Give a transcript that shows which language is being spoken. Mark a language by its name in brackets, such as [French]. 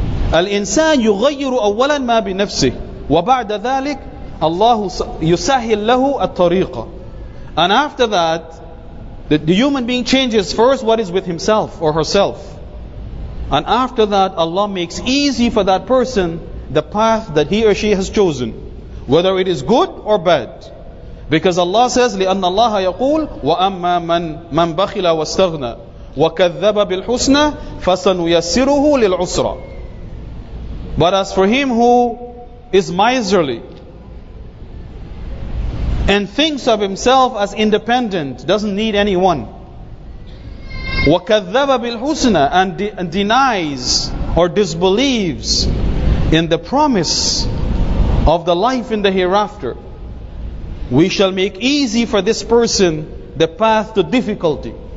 [Arabic] الْإِنسَانُ يُغَيِّرُ أَوَّلًا مَا بِنَفْسِهِ وَبَعْدَ ذَلِكَ اللَّهُ يُسَهِّلْ لَهُ الطَّرِيقَ. [English] And after that, the human being changes first what is with himself or herself. And after that, Allah makes easy for that person the path that he or she has chosen, whether it is good or bad. Because Allah says, [Arabic] لِأَنَّ اللَّهَ يَقُولُ وَأَمَّا مَنْ بَخِلَ وَاسْتَغْنَى وَكَذَّبَ بِالْحُسْنَى فَسَنُيَسِّرُهُ لِلْعُسْرَى. [English] But as for him who is miserly and thinks of himself as independent, doesn't need anyone, [Arabic] وَكَذَّبَ بِالْحُسْنَى, [English] and denies or disbelieves in the promise of the life in the hereafter, we shall make easy for this person the path to difficulty.